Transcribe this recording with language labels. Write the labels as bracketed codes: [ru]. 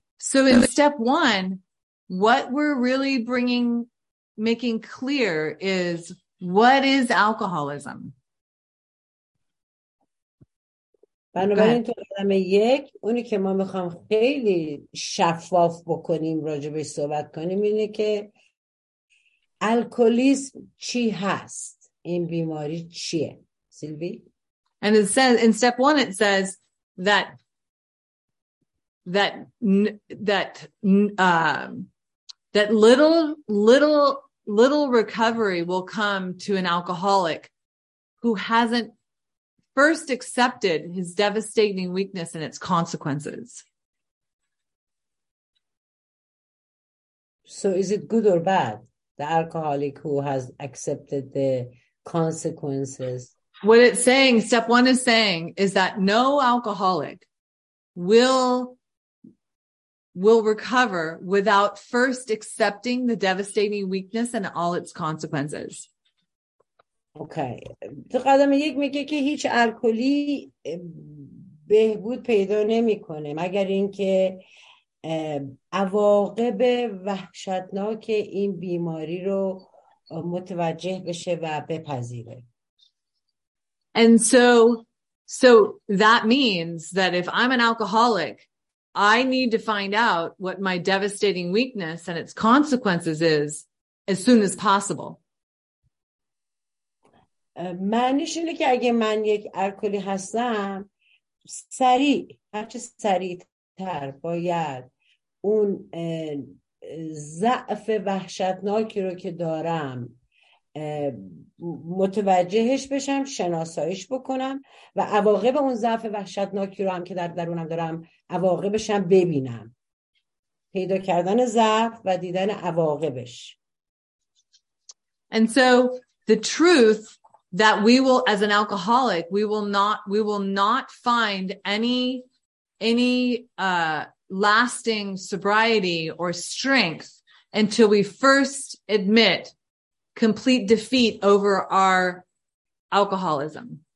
[en] So in step one, what we're really making clear is, what is alcoholism? [fa] بنابراین تو قدم یک، اونی که ما میخوام خیلی شفاف بکنیم، راجبش صحبت کنیم، اینه که الکلیسم چی هست، این بیماری چیه. سیلوی؟ [en] And it says, in step one it says that little recovery will come to an alcoholic who hasn't first accepted his devastating weakness and its consequences. So is it good or bad, the alcoholic who has accepted the consequences? What it's saying, step one is saying, is that no alcoholic will recover without first accepting the devastating weakness and all its consequences. Okay. [fa] تو قدم یک میگه که هیچ الکلی بهبود پیدا نمیکنه مگر اینکه عواقب وحشتناک این بیماری رو متوجه بشه و بپذیره. [en] And so that means that if I'm an alcoholic, I need to find out what my devastating weakness and its consequences is as soon as possible. [fa] معنیش اینه که اگه من یک الکلی هستم، سریع، هرچه سریع تر باید اون ضعف وحشتناکی رو که دارم متوجهش بشم، شناساییش بکنم و عواقب اون ضعف وحشتناکی رو هم که در درونم دارم عواقبش هم ببینم. پیدا کردن ضعف و دیدن عواقبش. [en] And so the truth that we will, as an alcoholic, we will not find any lasting sobriety or strength until we first admit complete defeat over our alcoholism.